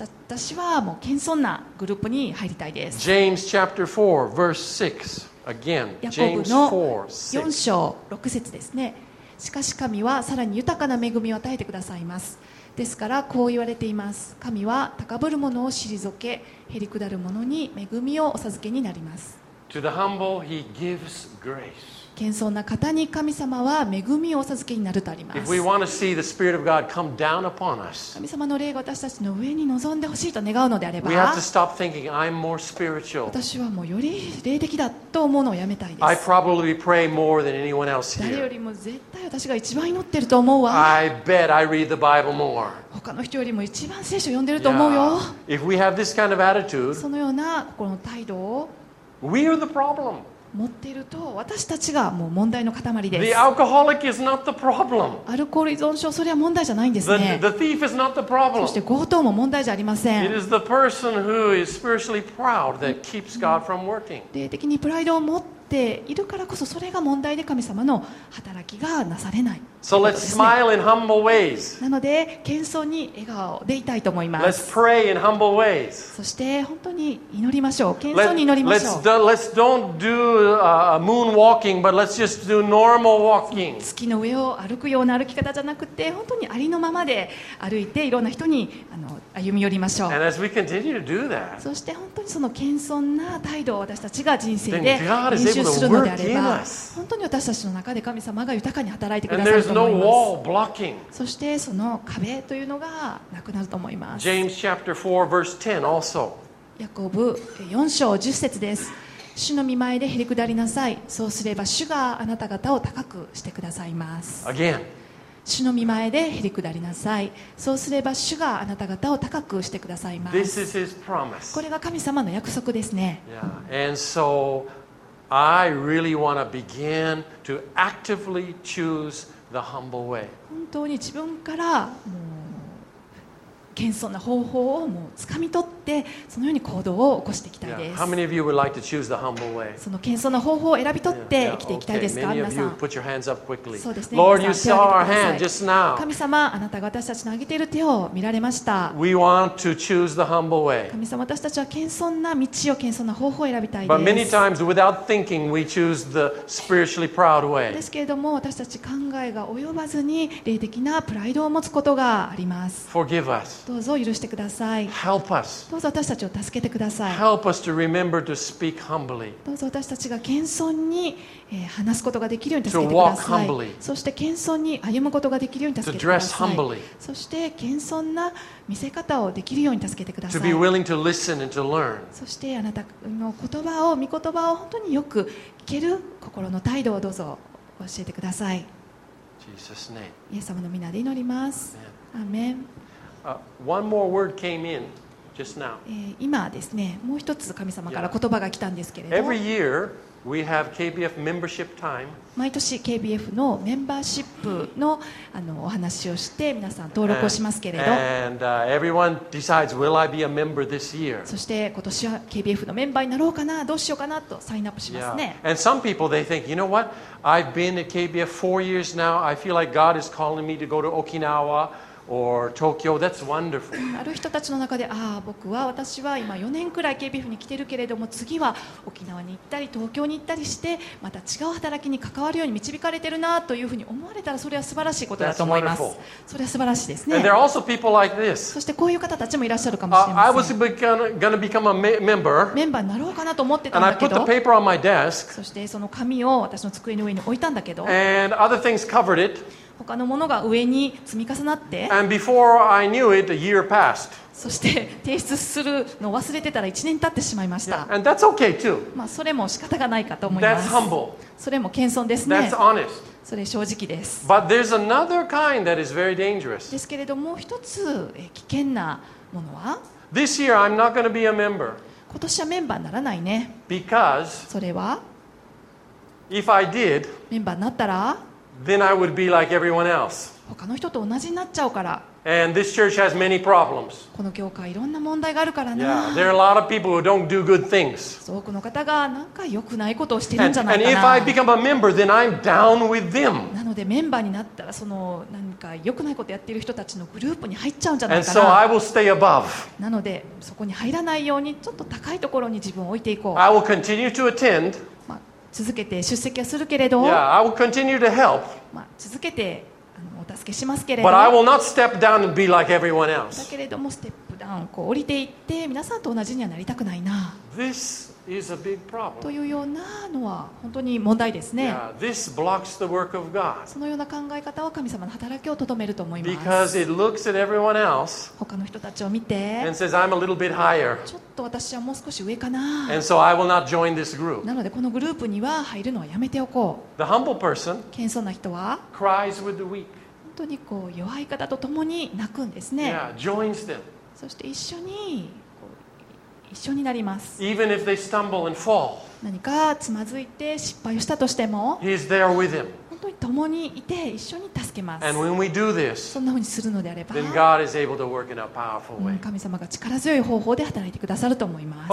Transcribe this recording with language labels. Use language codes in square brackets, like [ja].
[ja] 私はもう謙遜なグループに入りたいです。 [en] James chapter 4 verse 6 again. James [ja] 4章6節ですね。しかし神はさらに豊かな恵みを与えてくださいます。ですからこう言われています。神は高ぶる者を退け、へりくだる者に恵みをお授けになります。 [en] To the humble, he gives grace. [ja] 謙遜な方に神様は恵みをお授けになるとあります。 [en] If we want to see the Spirit of God come down upon us, [ja] 神様の霊が私たちの上に臨んでほしいと願うのであれば、 [en] we have to stop thinking, I'm more spiritual. [ja] 私はもうより霊的だと思うのをやめたいです。 [en] I probably pray more than anyone else here. [ja] 誰よりも絶対私が一番祈ってると思うわ。 [en] I bet I read the Bible more. [ja] 他の人よりも一番聖書を読んでると思うよ。 [en] Yeah. If we have this kind of attitude, [ja] そのような心の態度を [en] we are the problem. [ja] 持っていると私たちがもう問題の塊です。 [en] The alcoholic is not the problem. [ja] アルコール依存症、それは問題じゃないんですね。 [en] The thief is not the problem. [ja] そして強盗も問題じゃありません。 [en] It is the person who is spiritually proud that keeps God from working. [ja] 霊的にプライドを持っているからこそそれが問題で神様の働きがなされない。 [en] So let's smile in humble ways. [ja] なので謙遜に笑顔でいたいと思います。 [en] Let's pray in humble ways. [ja] そして本当に祈りましょう。謙遜に祈りましょう。 [en] Let's don't do moonwalking, but let's just do normal walking. [ja] 月の上を歩くような歩き方じゃなくて、本当にありのままで歩いていろんな人に歩み寄りましょう。 [en] And as we continue to do that, [ja] そして本当にその謙遜な態度を私たちが人生で練習ルするのであれば、本当に私たちの中で神様が豊かに働いてくださると思います。そしてその壁というのがなくなると思います。 [en] ジェームス chapter 4 verse 10 also。 [ja] ヤコブ4章10節です。主の御前でへりくだりなさい、そうすれば主があなた方を高くしてくださいます。 [en] Again。 [ja] 主の御前でへりくだりなさい、そうすれば主があなた方を高くしてくださいます。 [en] This is his promise. [ja] これが神様の約束ですね。 [en] Yeah. And so I really want to begin to actively choose the humble way. [ja] 本当に自分からもう謙遜な方法をもう掴み取って、そのように行動を起こしていきたいです。 [en] Yeah. How many of you would like to choose the humble way? [ja] その謙遜な方法を選び取って生きていきたいですか、皆さん。 [en] Many of you put your hands up quickly. [ja] そうですね。 [en] Lord, you saw our hand just now. [ja] 神様、あなたが私たちの挙げている手を見られました。 [en] We want to choose the humble way. [ja] 神様、私たちは謙遜な道を、謙遜な方法を選びたいです。 [en] But many times without thinking, we choose the spiritually proud way. [ja] ですけれども、私たち考えが及ばずに霊的なプライドを持つことがあります。 [en] Forgive us. [ja] どうぞ許してください。 [en] Help us. [ja] どうぞ私たちを助けてください。 [en] Help us to remember to speak humbly. [ja] どうぞ私たちが謙遜に話すことができるように助けてください。 [en] To walk humbly. [ja] そして謙遜に歩むことができるように助けてください。 [en] To dress humbly. [ja] そして謙遜な見せ方をできるように助けてください。 [en] To be willing to listen and to learn. [ja] そしてあなたの言葉を、御言葉を本当によく聞ける心の態度をどうぞ教えてください。 [en] Jesus' name. [ja] イエス様の御名で祈ります。アーメン。 [en] One more word came in just now. [ja] 今ですね、もう一つ神様から言葉が来たんですけれど、 [en] Every year we have KBF membership time. [ja] 毎年 KBF のメンバーシップの、お話をして皆さん登録をしますけれど、 [en] everyone decides, will I be a member this year? [ja] そして今年は KBF のメンバーになろうかな、どうしようかなとサインアップしますね。 [en] And some people they think, you know what? I've been at KBF 4 years now. I feel like God is calling me to go to Okinawa. Or Tokyo. That's wonderful. [ja] ある人たちの中で、ああ僕は私は今4年くらい KBF に来てるけれども、次は沖縄に行ったり東京に行ったりしてまた違う働きに関わるように導かれてるなというふうに思われたら、それは素晴らしいことだと思います。それは素晴らしいですね。 [en] And there are also people like this. [ja] そしてこういう方たちもいらっしゃるかもしれません。 [en] I was gonna become a member. [ja] メンバーになろうかなと思ってたんだけど、 [en] And I put the paper on my desk. [ja] そしてその紙を私の机の上に置いたんだけど、 [en] And other things covered it. [ja] 他のものが上に積み重なって、 [en] And before I knew it, a year passed. [ja] そして提出するのを忘れてたら1年経ってしまいました。 [en] Yeah. And that's okay too. [ja] まあそれも仕方がないかと思います。 [en] That's humble. [ja] それも謙遜ですね。 [en] That's honest. [ja] それ正直です。 [en] But there's another kind that is very dangerous. [ja] ですけれども、一つ危険なものは、 [en] This year I'm not going to be a member. [ja] 今年はメンバーにならないね。 [en] Because [ja] それは、 [en] If I did, [ja] メンバーになったら [en] Then I would be like everyone else. [ja] 他の人と同じになっちゃうから。 [en] And this church has many problems. [ja] この教会いろんな問題があるからな。 [en] Yeah, there are a lot of people who don't do good things. [ja] 多くの方がなんか良くないことをしてるんじゃないかな。 [en] And if I become a member, then I'm down with them. [ja] なのでメンバーになったら、そのなんか良くないことやってる人たちのグループに入っちゃうんじゃないかな。 [en] And so I will stay above. [ja] なのでそこに入らないようにちょっと高いところに自分を置いていこう。 [en] I will continue to attend. [ja] 続けて出席はするけれど、 [en] yeah, I will continue to help. [ja] まあ続けてお助けしますけれど、 [en] But I will not step down and be like everyone else. [ja] だけれどもステップダウン、こう降りていって皆さんと同じにはなりたくないな。 [en] This is a big problem. [ja] というようなのは本当に問題ですね。 [en] yeah, This blocks the work of God. [ja] そのような考え方は神様の働きをとどめると思います。 [en] Because it looks at everyone else. [ja] 他の人たちを見て、 [en] And says, I'm a little bit higher. [ja] と私はもう少し上かな。 [en] And so I will not join this group. [ja] なのでこのグループには入るのはやめておこう。 [en] The humble person [ja] 謙遜な人は [en] cries with the weak. [ja] 本当にこう弱い方と共に泣くんですね。 [en] Yeah, joins them. [ja] そして一緒に一緒になります。 [en] Even if they stumble and fall. [ja] 何かつまずいて失敗をしたとしても、 [en] He is there with them. [ja] 本当に共にいて一緒に助けます。 [en] And when we do this, [ja] そんな風にするのであれば、 [en] then God is able to work in a powerful way. [ja] 神様が力強い方法で働いてくださると思います。